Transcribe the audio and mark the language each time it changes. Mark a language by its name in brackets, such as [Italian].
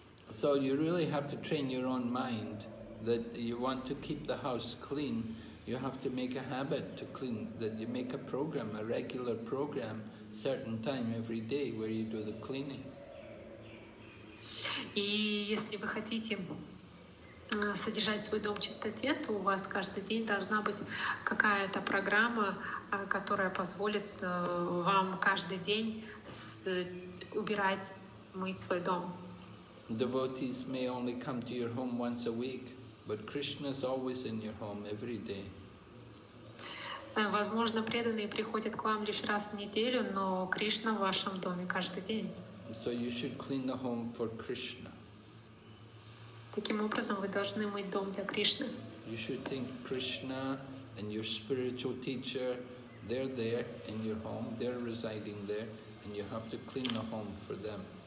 [English] So you really have to train your own mind that you want to keep the house clean. You have to make a habit to clean, that you make a program, a regular program, certain time every day where you do the cleaning. [Russian] И если вы хотите содержать свой дом в чистоте, то у вас каждый день должна быть какая-то программа, которая позволит вам каждый день убирать, мыть свой дом. [English] Devotees may only come to your home once a week, but Krishna is always in your home every day. [Russian] Возможно, преданные приходят к вам лишь раз в неделю, но Кришна в вашем доме каждый день. [English] So you should clean the home for Krishna. [Russian] Таким образом, вы должны мыть дом для Кришны. [English] You should think Krishna and your spiritual teacher, they're there in your home, they're residing there, and you have to clean the home for them.